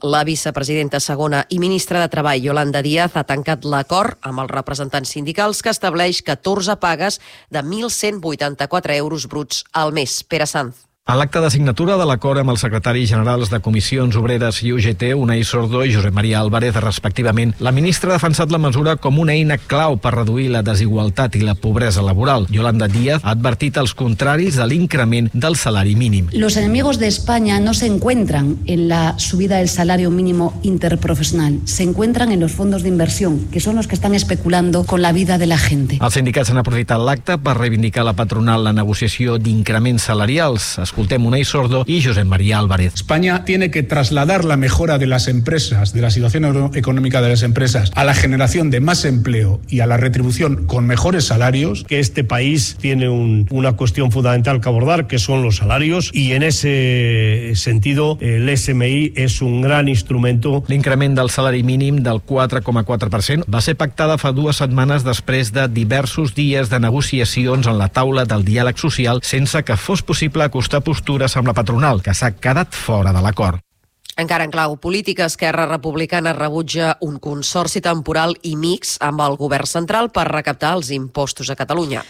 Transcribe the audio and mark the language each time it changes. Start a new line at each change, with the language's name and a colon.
Catalan: La vicepresidenta segona i ministra de Treball, Yolanda Díaz, ha tancat l'acord amb els representants sindicals que estableix 14 pagues de 1.184 euros bruts al mes. Pere Sanz. A l'acte de signatura de l'acord amb els secretaris generals de Comissions Obreres i UGT, Unai Sordo i Josep Maria Álvarez, respectivament, la ministra ha defensat la mesura com una eina clau per reduir la desigualtat i la pobresa laboral. Yolanda Díaz ha advertit els contraris de l'increment del salari mínim.
Spanish: Los enemigos de España no se encuentran en la subida del salario mínimo interprofesional, se encuentran en los fondos de inversión, que son los que están especulando con la vida de la gente.
Catalan: Els sindicats han aprofitat l'acte per reivindicar la patronal la negociació d'increments salarials. Escoltem Unai Sordo i Josep Maria Álvarez.
Spanish: España tiene que trasladar la mejora de las empresas, de la situación económica de las empresas, a la generación de más empleo y a la retribución con mejores salarios. Que este país tiene una cuestión fundamental que abordar, que son los salarios, y en ese sentido el SMI es un gran instrumento.
Catalan: L'increment del salari mínim del 4,4% va ser pactada fa dues setmanes després de diversos dies de negociacions en la taula del diàleg social sense que fos possible acostar aquesta postura amb la patronal, que s'ha quedat fora de l'acord. Encara en clau política, Esquerra Republicana rebutja un consorci temporal i mix amb el govern central per recaptar els impostos a Catalunya.